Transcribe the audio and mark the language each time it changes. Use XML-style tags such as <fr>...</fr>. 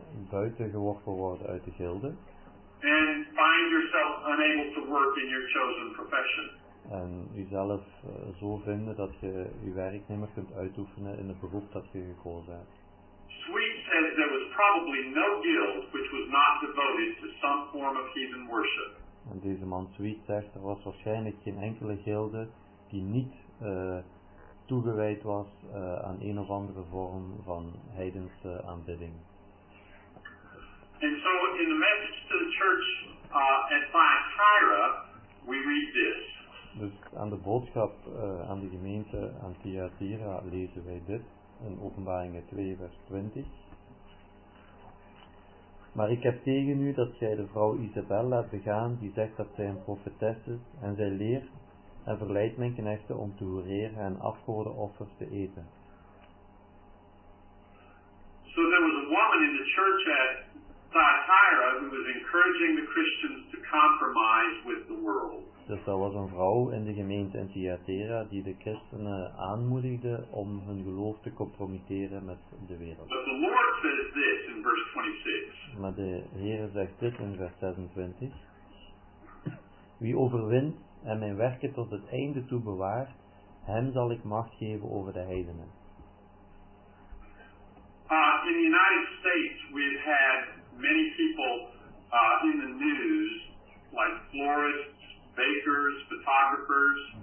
<nl>Buiten geworpen worden uit de gilde.</nl> <en>And find yourself unable to work in your chosen profession.</en> <nl>En jezelf zo vinden dat je je werk niet meer kunt uitoefenen in het beroep dat je gekozen hebt.</nl> <en>Sweet says there was probably no guild which was not devoted to some form of heathen worship.</en> <nl>En deze man Sweet zegt, er was waarschijnlijk geen enkele gilde die niet toegewijd was aan een of andere vorm van heidense aanbidding. En zo in de</nl> <en>message to the church at Thyatira, we read this.</en> <nl>Dus aan de boodschap aan de gemeente aan Thyatira lezen wij dit in Openbaringen 2 vers 20. Maar ik heb tegen u dat zij de vrouw Isabel laat begaan, die zegt dat zij een profetes is, en zij leert en verleidt mijn knechten om te hoereren en afgodenoffers te eten.</nl> <en>So there was a woman in the church at Thyatira, who was encouraging the Christians to compromise with the world.</en> <nl>Dus dat was een vrouw in de gemeente in Thyatira die de christenen aanmoedigde om hun geloof te compromitteren met de wereld.</nl> <en>But the Lord says this in verse 26.</en> <nl>Maar de Heer zegt dit in vers 26. Wie overwint en mijn werken tot het einde toe bewaart, hem zal ik macht geven over de heidenen.</nl> <en>In the United States we've had many people in the news, like florists, bakers, photographers.</en>